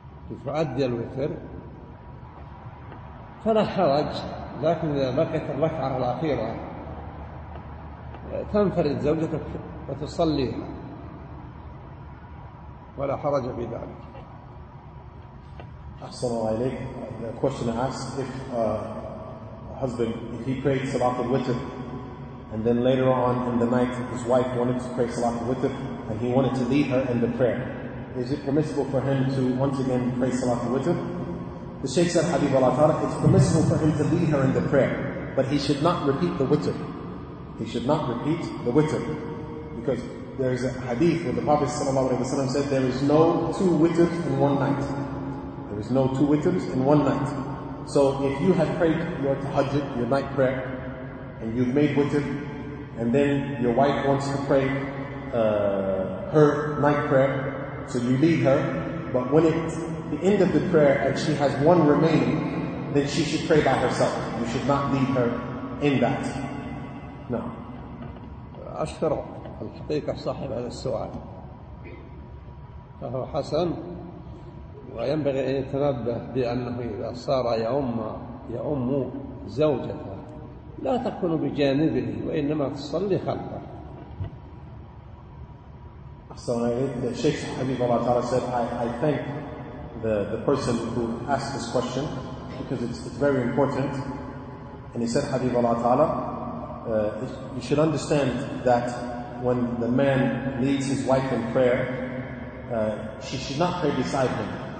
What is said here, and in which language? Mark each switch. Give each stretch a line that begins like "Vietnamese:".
Arabic: لتؤدي الوتر فلا حرج، لكن إذا بقيت الركعة الأخيرة تنفرد زوجتك وتصليها ولا حرج في ذلك. أحسن الله إليك.
English: The question asks if a husband, if he prayed Salat al-Witr and then later on in the night his wife wanted to pray Salat al-Witr and he wanted to lead her in the prayer, is it permissible for him to once again pray Salat al-Witr? The Shaykh said, Habib al-Atara, it's permissible for him to lead her in the prayer, but he should not repeat the witr. He should not repeat the witr. Because there is a hadith where the Prophet sallallahu alayhi wa sallam said, there is no two witr in one night. There is no two witrs in one night. So if you have prayed your tahajjud, your night prayer, and you've made witr, and then your wife wants to pray her night prayer, so you lead her, but when it's the end of the prayer and she has one remaining, then she should pray by herself. You should not lead her in that. No.
Arabic: أشكر الحقيقة صاحب هذا السؤال فهو حسن. وينبغي أن يتنبه بأنه إذا صار يؤم زوجته لا تكون بجانبه وإنما تصلي خلفه. أحسن الله.
English: The Shaykh Habib al-Atara said, I thank the person who asked this question because it's very important. And he said, Habib al-Atara, you should understand that when the man leads his wife in prayer, she should not pray beside him.